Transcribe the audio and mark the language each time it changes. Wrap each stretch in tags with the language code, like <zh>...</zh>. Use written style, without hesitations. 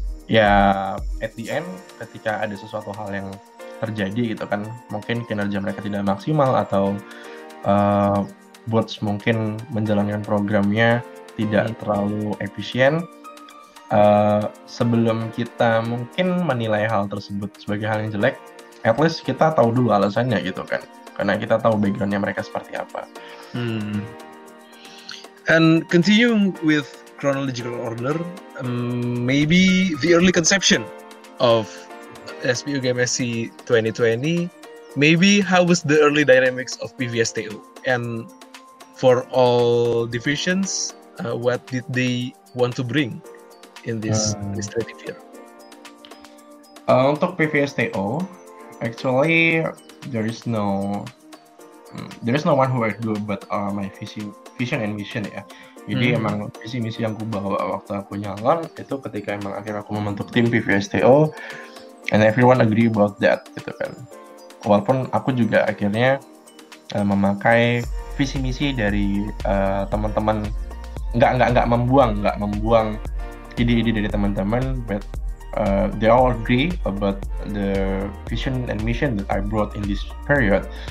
<id>Ya,</id> <en>at the end,</en> <id>ketika ada sesuatu hal yang terjadi gitu kan, mungkin kinerja mereka tidak maksimal, atau boards mungkin menjalankan programnya tidak terlalu efisien, sebelum kita mungkin menilai hal tersebut sebagai hal yang jelek,</id> <en>at least</en> <id>kita tahu dulu alasannya gitu kan, karena kita tahu backgroundnya mereka seperti apa.</id> <en>And continuing with chronological order, maybe the early conception of SPU Game SC 2020, maybe how was the early dynamics of PVSTU, and for all divisions, what did they want to bring in this strategy?</en> <id>Untuk</id> <en>PVSTO, actually there is no one who I do but my vision and mission ya.</en> <id>Jadi emang visi misi yang ku bawa waktu aku nyalon itu ketika emang akhirnya aku membentuk tim PVSTO,</id> <en>and everyone agree about that</en> <id>gitu kan. Walaupun aku juga akhirnya memakai visi misi dari teman-teman,</id> <en>nggak membuang ide-ide dari teman-teman, but they all agree about the vision and mission that I brought in this period.</en>